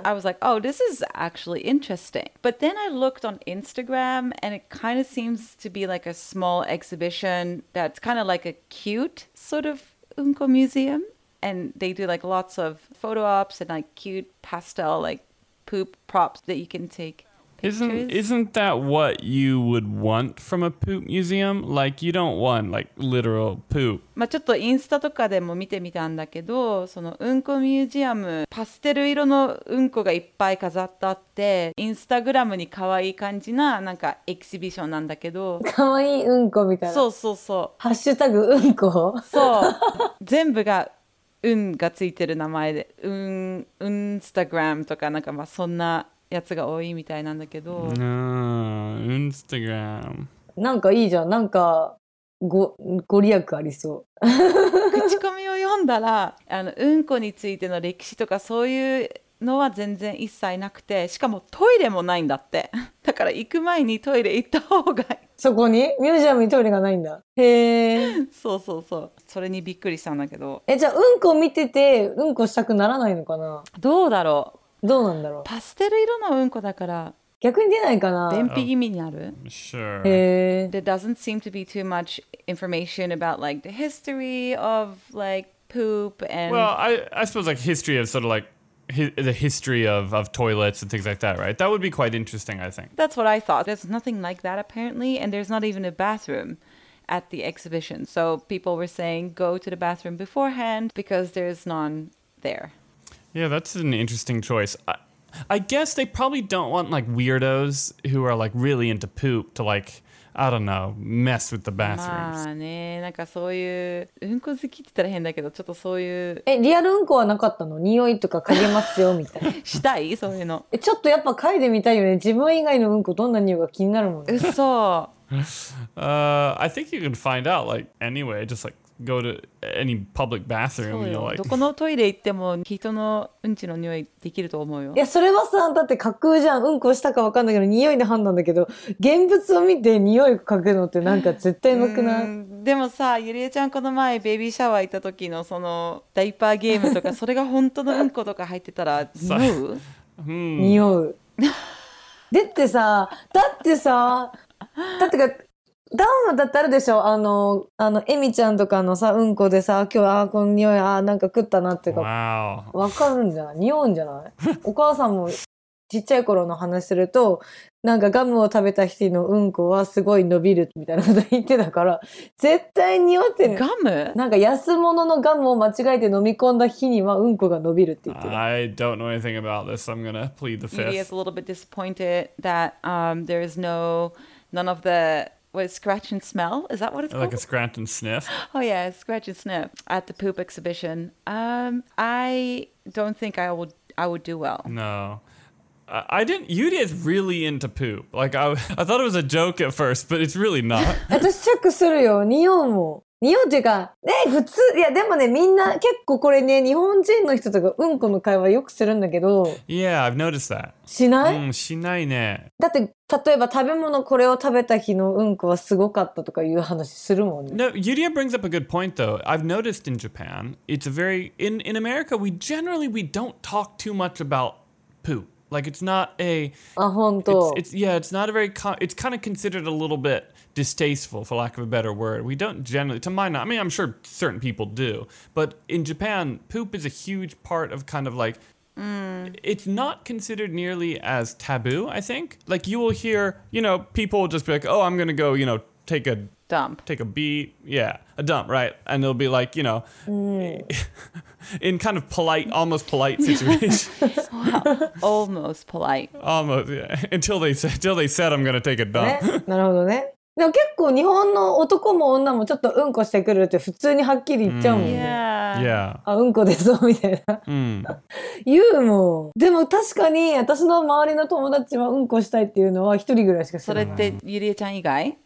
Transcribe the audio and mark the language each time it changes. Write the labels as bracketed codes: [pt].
[en] I was like, oh, this is actually interesting. But then I looked on Instagram and it kind of seems to be like a small exhibition that's kind of like a cute sort of [ja] うんこ [en] museum. And they do like lots of photo ops and like cute pastel like poop props that you can take pictures. Isn't that what you would want from a poop museum? Like you don't want like literal poop. [ja] まあ、ちょっとインスタとかでも見てみたんだけど、そのうんこミュージアム、パステル色のうんこがいっぱい飾ってあって、インスタグラムに可愛い感じななんかエキシビションなんだけど。可愛いうんこみたいな。そうそうそう。ハッシュタグうんこ? そう。全部がうんがついてる名前で、うん、うんスタグラムとかなんかまあそんなやつが多いみたいなんだけど。うんスタグラム。なんかいいじゃん。なんか、ご利益ありそう口コミを読んだらあのうんこについての歴史とかそういうのは全然一切なくてしかもトイレもないんだってだから行く前にトイレ行った方がいいそこにミュージアムにトイレがないんだへえ。そうそうそうそれにびっくりしたんだけどえじゃあうんこ見ててうんこしたくならないのかなどうだろうどうなんだろうパステル色のうんこだから逆に出ないかな? 便秘気味にある? [en] Sure. There doesn't seem to be too much information about like the history of like poop and... Well, I suppose like history of sort of like the history of toilets and things like that, right? That would be quite interesting, I think. That's what I thought. There's nothing like that apparently, and there's not even a bathroom at the exhibition. So people were saying go to the bathroom beforehand because there's none there. Yeah, that's an interesting choice. I guess they probably don't want like weirdos who are like really into poop to like I don't know mess with the bathrooms. [ja] まあね、なんかそういううんこ好きって言ったら変だけど、ちょっとそういうえリアルうんこはなかったの？匂いとか嗅げますよみたいな。したい？そういうの。ちょっとやっぱ嗅いでみたいよね。自分以外のうんこどんな匂いが気になるもん、ね。うそ。 [en] I think you can find out like anyway, just like. Go to any public bathroom, you know, like... [ja] どこのトイレ行っても人のうんちの匂いできると思うよ。いや、それはさ、だって架空じゃん。うんこしたか分かんないけど、匂いで判断だけど、現物を見て匂い嗅ぐのってなんか絶対うまくない？でもさ、ゆりえちゃんこの前ベビーシャワー行った時のそのダイパーゲームとか、それが本当のうんことか入ってたら、匂う？匂う。でってさ、だってさ、だってか、ダウンだってあるでしょあのエミちゃんとかのさうんこでさ今日あこの匂いあなんか食ったなっていうか、 [en] wow. [ja] 分かるんじゃない匂うんじゃないお母さんもちっちゃい頃の話するとなんかガムを食べた人のうんこはすごい伸びるみたいなこと言ってたから絶対匂ってるガムなんか安物のガムを間違えて飲み込んだ日にはうんこが伸びるって言ってた [en] I don't know anything about this so I'm gonna plead the fifth He is a little bit disappointed that there is no none of theWhat, scratch and smell? Is that what it's called? Like a scratch and sniff? Oh yeah, scratch and sniff at the poop exhibition. I don't think I would do well. No. I didn't... Yuri is really into poop. Like, I thought it was a joke at first, but it's really not. [ja] 私チェックするよ、匂うも。匂うっていうか、ね、普通、いやでもね、みんな結構これね、日本人の人とかうんこの会話よくするんだけど。 [en] Yeah, I've noticed that. [ja] しない? うん、しないね。だって、例えば食べ物これを食べた日のうんこはすごかったとかいう話するもんね。 [en] No, Yuria brings up a good point though. I've noticed in Japan, it's a very, in America, we generally, we don't talk too much about poop. Like it's not a... [ja] あ、本当。 [en] Yeah, it's not a very, it's kind of considered a little bit... distasteful, for lack of a better word. We don't generally, to my knowledge, I mean, I'm sure certain people do, but in Japan, poop is a huge part of kind of like,、 mm. it's not considered nearly as taboo, I think. Like, you will hear, you know, people just be like, oh, I'm gonna go, you know, take a dump, take a beat, yeah, a dump, right? And they'll be like, you know,、 mm. in kind of polite, almost polite situations. Wow, almost polite. Almost, yeah, until they said I'm gonna take a dump. [ja] なるほどねでも結構日本の男も女もちょっとうんこしてくるって普通にはっきり言っちゃうもんね。 [en] Yeah. [ja] あ、うんこ出そうみたいな。言うもん。でも確かに私の周りの友達はうんこしたいっていうのは一人ぐらいしか知らない。それってゆりえちゃん以外？